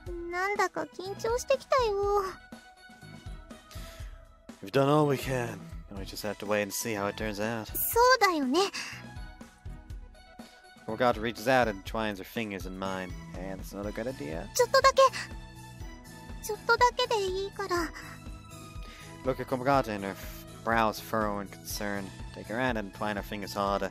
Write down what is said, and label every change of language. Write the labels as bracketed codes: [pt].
[ja] Nanda ka kinchou shite kita yo. [en] We've done all we can. We just have to wait and see how it turns out. [ja] そうだよね。 [en] Forgot reaches out and twines her fingers in mine. Hey, that's not a good idea. [ja] ちょっとだけでいいから. [en] Look at Komagata and her brows furrow in concern. Take her hand and twine her fingers harder.